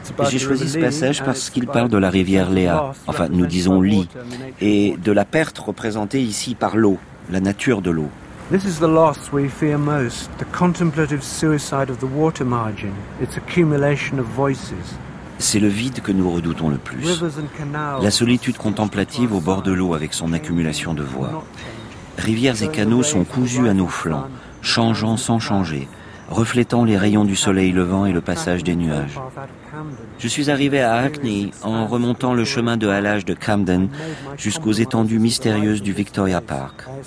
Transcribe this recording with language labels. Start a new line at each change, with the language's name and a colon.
French: J'ai choisi ce passage parce qu'il parle de la rivière Léa, enfin, nous disons Lee, et de la perte représentée ici par l'eau, la nature de l'eau.
English: This is the loss we fear most, the contemplative suicide of the water margin, its accumulation of voices.
French: C'est le vide que nous redoutons le plus. La solitude contemplative au bord de l'eau avec son accumulation de voix. Rivières et canaux sont cousus à nos flancs, changeant sans changer, reflétant les rayons du soleil levant et le passage des nuages. Je suis arrivé à Hackney en remontant le chemin de halage de Camden jusqu'aux étendues mystérieuses du Victoria Park.